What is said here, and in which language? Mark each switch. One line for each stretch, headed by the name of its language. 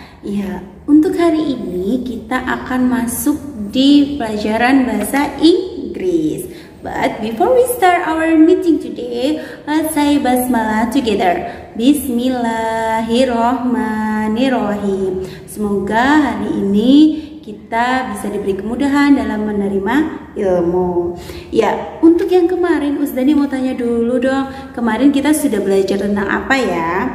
Indonesian: Ya, untuk hari ini kita akan masuk di pelajaran bahasa Inggris.
English: But before we start our meeting today, let's say basmalah together.
Arabic: Bismillahirrahmanirrahim.
Indonesian: Semoga hari ini kita bisa diberi kemudahan dalam menerima ilmu. Ya, untuk yang kemarin, Usdani mau tanya dulu dong. Kemarin kita sudah belajar tentang apa ya?